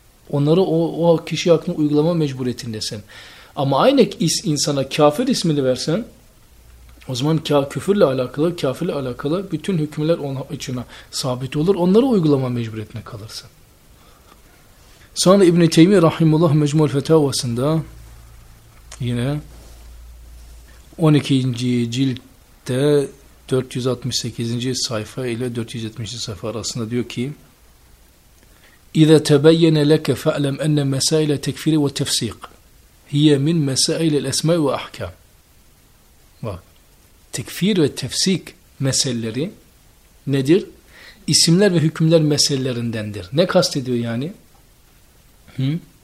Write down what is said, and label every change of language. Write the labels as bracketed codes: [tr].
[tr] Onları o kişi hakkında uygulama mecburiyetindesin. Ama aynı insana kafir ismini versen, o zaman küfürle alakalı, kafirle alakalı bütün hükümler onun içine sabit olur, onları uygulama mecburiyetine kalırsın. Sonra İbn-i Teymiye Rahimullah Mecmul Fetavası'nda yine 12. ciltte 468. sayfa ile 470. sayfa arasında diyor ki [ar] اِذَا تَبَيَّنَ لَكَ فَأْلَمْ اَنَّ مَسَائِلَ تَكْفِرِ وَتَفْسِيقِ hiye min mesaili esma ve ahkam. Bak. [tr] Tekfir ve tefsik meseleleri nedir? İsimler ve hükümler meselelerindendir. Ne kastediyor yani? Hı?